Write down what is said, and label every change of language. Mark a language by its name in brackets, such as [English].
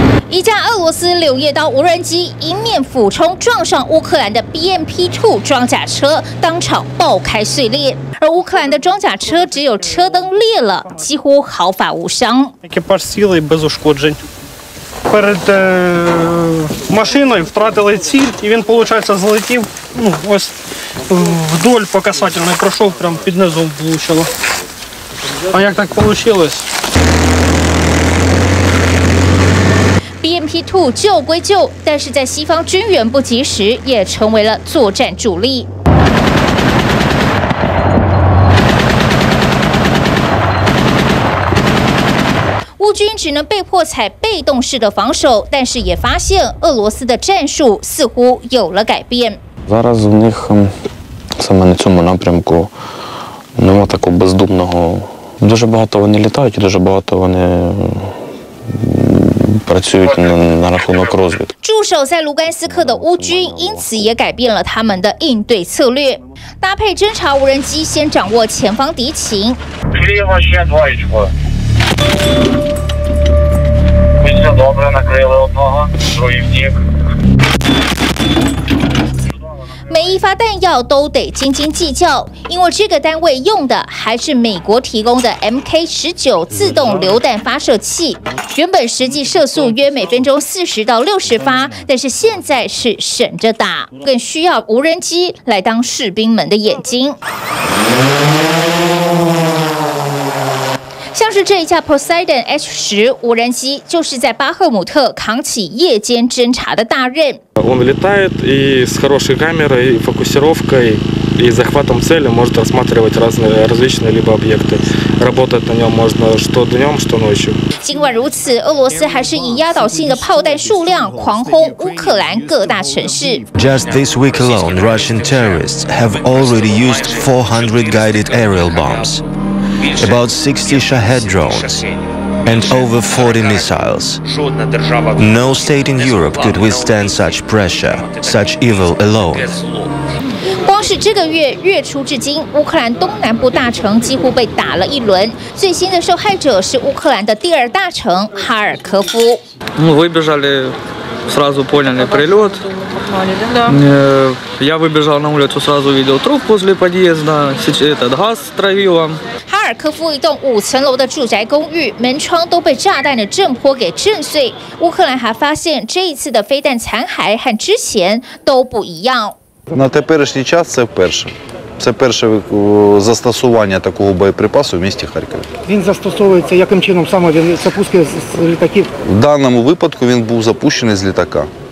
[Chinese] 一架俄罗斯柳叶刀无人机迎面俯冲，撞上乌克兰的 BMP-2 装甲车，当场爆开碎裂。而乌克兰的装甲车只有车灯裂了，几乎毫发无伤。 [Ukrainian] Перед машиною втратили ціль, і він, виходить, злетів ось [Russian] вдоль по касательной, [Ukrainian] пройшов прямо під низом влучило. А як так вийшло? [Chinese] BMP-2 救归救，但是在西方军援不及时，也成为了作战主力。乌军只能被迫采被动式的防守，但是也发现俄罗斯的战术似乎有了改变。 [Ukrainian] Зараз у них саме на цьому напрямку нема такого бездумного. Дуже багато вони літають і дуже багато вони. [Chinese] 驻守在卢甘斯克的乌军因此也改变了他们的应对策略，搭配侦察无人机先掌握前方敌情。每一发弹药都得斤斤计较，因为这个单位用的还是美国提供的 MK19 自动榴弹发射器，原本实际射速约每分钟40到60发，但是现在是省着打，更需要无人机来当士兵们的眼睛。像是这一架 Poseidon H10 无人机，就是在巴赫姆特扛起夜间侦察的大任。 [Russian] Он летает и с хорошей камерой, фокусировкой и захватом цели может рассматривать различные либо объекты. Работать на нем можно что днем, что ночью. [Chinese] 尽管如此，俄罗斯还是以压倒性的炮弹数量狂轰乌克兰各大城市。 [English] Just this week alone, Russian terrorists have already used 400 guided aerial bombs. about 60 Shahed drones, and over 40 missiles. No state in Europe could withstand such pressure, such evil alone. [Chinese] 光是这个月月初至今，乌克兰东南部大城几乎被打了一轮。最新的受害者是乌克兰的第二大城哈尔科夫。哈尔科夫一栋5层楼的住宅公寓门窗都被炸弹的震波给震碎。乌克兰还发现这一次的飞弹残骸和之前都不一样。 [Ukrainian] На теперішній час це перше. Це перше застосування такого боєприпасу в місті Харкові. Він застосовується яким чином? Саме він запускає з літаків? В даному випадку він був запущений з літака.